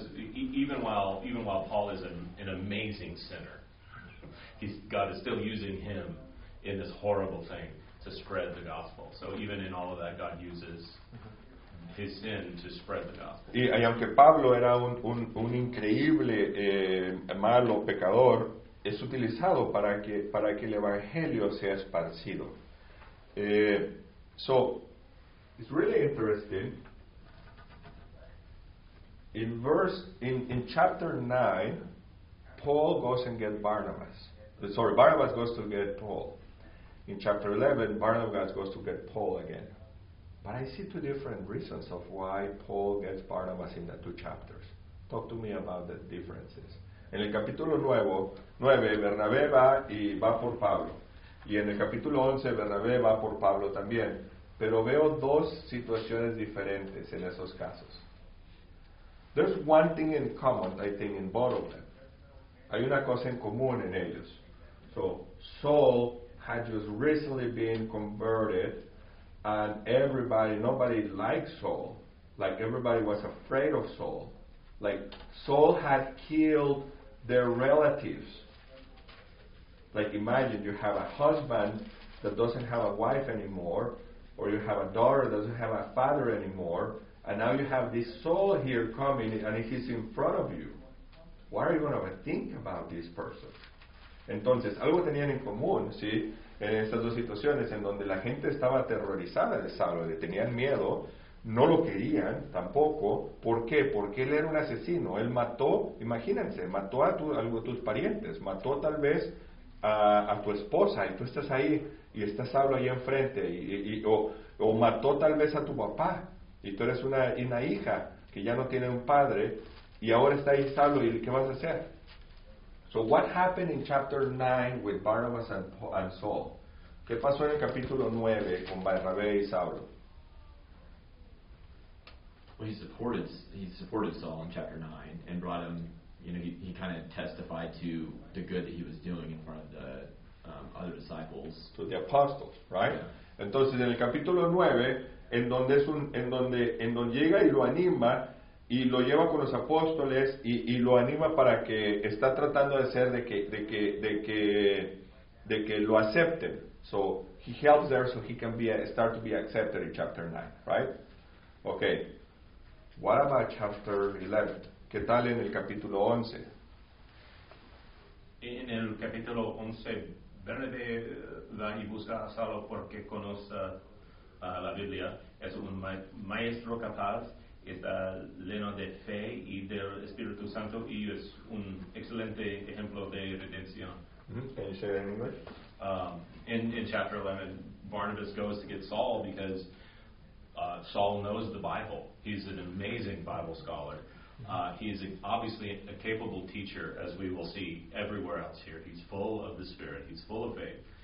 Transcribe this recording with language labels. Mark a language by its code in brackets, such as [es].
[en] because even while Paul is an amazing sinner, God is still using him in this horrible thing to spread the gospel. So even in all of that, God uses his sin to spread the gospel. [es] Y aunque Pablo era un increíble malo pecador, es utilizado para que el evangelio sea esparcido. [en] So it's really interesting. In chapter 9, Paul goes and gets Barnabas. Barnabas goes to get Paul. In chapter 11, Barnabas goes to get Paul again. But I see two different reasons of why Paul gets Barnabas in the two chapters. Talk to me about the differences. [es] En el capítulo 9, Bernabé va y va por Pablo. Y en el capítulo 11, Bernabé va por Pablo también. Pero veo dos situaciones diferentes en esos casos. [en] There's one thing in common, I think, in both of them. [es] Hay una cosa en común en ellos. [en] So, Saul had just recently been converted, and nobody liked Saul. Like, everybody was afraid of Saul. Like, Saul had killed their relatives. Like, imagine you have a husband that doesn't have a wife anymore, or you have a daughter that doesn't have a father anymore, and now you have this Saul here coming, and he's in front of you. What are you going to think about this person? [es] Entonces, algo tenían en común, ¿sí? En estas dos situaciones, en donde la gente estaba aterrorizada de Saulo, le tenían miedo, no lo querían tampoco. ¿Por qué? Porque él era un asesino. Él mató, imagínense, mató a tus parientes, mató tal vez a tu esposa, y tú estás ahí, y está Saulo ahí enfrente, o mató tal vez a tu papá, y tú eres una hija que ya no tiene un padre, y ahora está ahí Saulo, ¿y qué vas a hacer? [en] So what happened in chapter 9 with Barnabas and Saul? [es] ¿Qué pasó en el capítulo 9 con Bernabé y Saulo? [en] Well, he supported Saul in chapter 9 and brought him, you know, he kind of testified to the good that he was doing in front of the other disciples. To the apostles, right? Yeah. [es] Entonces, en el capítulo 9, en donde llega y lo anima, y lo lleva con los apóstoles y lo anima para que está tratando de hacer de que lo acepten. [en] So he helps there so he can start to be accepted in chapter 9, right? Okay. What about chapter 11? [es] ¿Qué tal en el capítulo 11? En el capítulo 11, Bernabé va y busca a Saulo porque conoce la Biblia. Es un maestro capaz. Está lleno de fe y del Espíritu Santo y es un excelente ejemplo de redención. [en] Can you say that in English? In chapter 11, Barnabas goes to get Saul because Saul knows the Bible. He's an amazing Bible scholar. He's obviously a capable teacher, as we will see everywhere else here. He's full of the Spirit. He's full of faith.